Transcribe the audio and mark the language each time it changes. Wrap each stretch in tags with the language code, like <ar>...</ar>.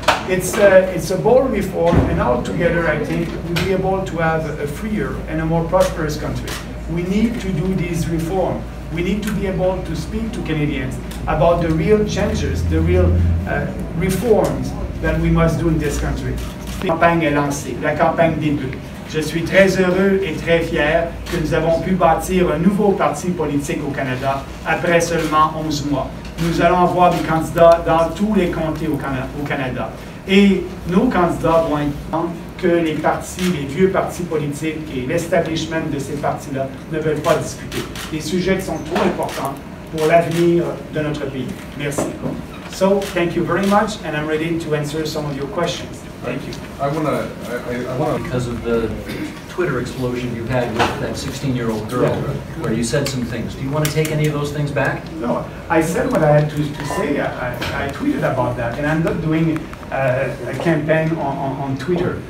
<en>It's a bold reform, and all together, I think, we'll be able to have a freer and a more prosperous country. We need to do this reform. We need to be able to speak to Canadians about the real changes, the real reforms that we must do in this country.</en> <fr>La campagne est lancée, la campagne débute. Je suis très heureux et très fier que nous avons pu bâtir un nouveau parti politique au Canada après seulement 11 mois. Nous allons avoir des candidats dans tous les comtés au Canada. Et nos candidats vont entendre que les partis, les vieux partis politiques et l'establishment de ces partis-là ne veulent pas discuter. Des sujets qui sont trop importants pour l'avenir de notre pays. Merci.</fr> <en>So, thank you very much, and I'm ready to answer some of your questions. Thank you. I wanna... Because of the Twitter explosion you had with that 16-year-old girl, yeah, right, where you said some things. Do you want to take any of those things back? No, I said what I had to say. I tweeted about that, and I'm not doing a campaign on Twitter.</en>